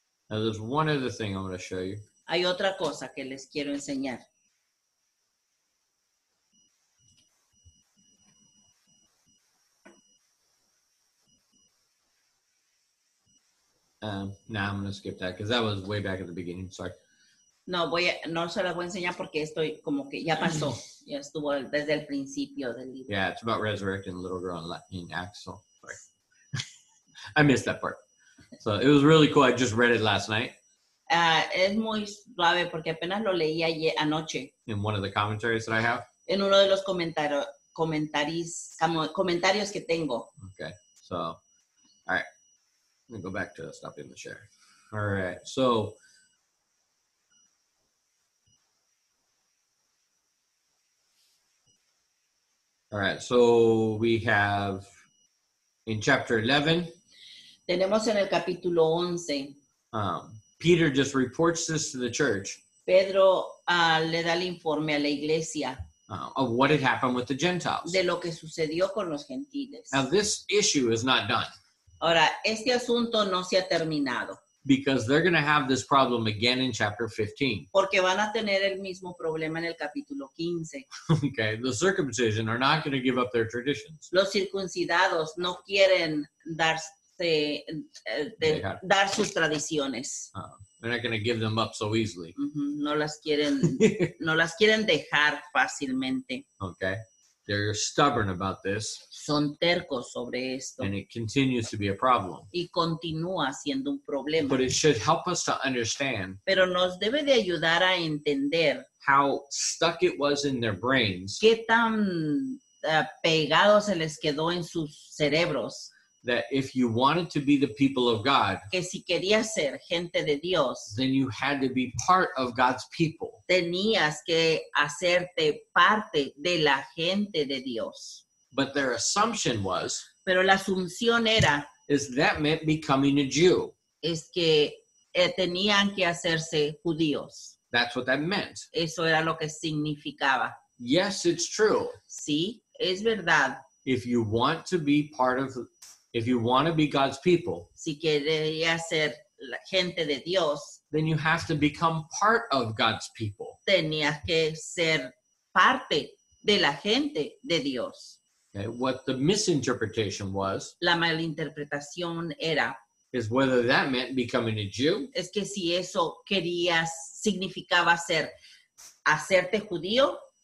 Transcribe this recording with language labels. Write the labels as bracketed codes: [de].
[en] Now there's one other thing I'm going to show you. [es] Hay otra cosa que les quiero enseñar. [en] No, I'm going to skip that because that was way back at the beginning. Sorry. [es] No, voy a, no se la voy a enseñar porque estoy como que ya pasó. Ya estuvo desde el principio del libro. [en] Yeah, it's about resurrecting a little girl in Acts. So, sorry. I missed that part. So it was really cool. I just read it last night. [es] Es muy suave porque apenas lo leí ayer anoche. [en] In one of the commentaries that I have. [es] En uno de los comentarios que tengo. [en] Okay, so, all right. Let me go back to stopping the share. All right, so. All right, so we have in chapter 11. [es] Tenemos en el capítulo 11. [en] Peter just reports this to the church. [es] Pedro le da el informe a la iglesia. [en] Of what had happened with the Gentiles. [es] De lo que sucedió con los gentiles. [en] Now this issue is not done. [es] Ahora, este asunto no se ha terminado. [en] Because they're going to have this problem again in chapter 15. [es] Porque van a tener el mismo problema en el capítulo 15. [en] Okay, the circumcision are not going to give up their traditions. [es] Los circuncidados no quieren dar sus tradiciones. [en] They're not going to give them up so easily. [es] Mm-hmm. No las quieren dejar fácilmente. [en] Okay. They're stubborn about this. [es] Son tercos sobre esto. [en] And it continues to be a problem. [es] Y continúa siendo un problema. [en] But it should help us to understand. [es] Pero nos debe de ayudar a entender. [en] How stuck it was in their brains. [es] Qué tan pegado se les quedó en sus cerebros. [en] That if you wanted to be the people of God. [es] Que si querías ser gente de Dios. [en] Then you had to be part of God's people. [es] Tenías que hacerte parte de la gente de Dios. [en] But their assumption was. [es] Pero la asunción era. [en] Is that meant becoming a Jew. [es] Es que tenían que hacerse judíos. [en] That's what that meant. [es] Eso era lo que significaba. [en] Yes, it's true. [es] Sí, es verdad. [en] If you want to be part of. If you want to be God's people. [es] Si quería ser la gente de Dios. [en] Then you have to become part of God's people. [es] Tenía que ser parte de la gente de Dios. [en] Okay, what the misinterpretation was. [es] La malinterpretación era. [en] Is whether that meant becoming a Jew. [es] Es que si eso querías, significaba ser, hacerte judío.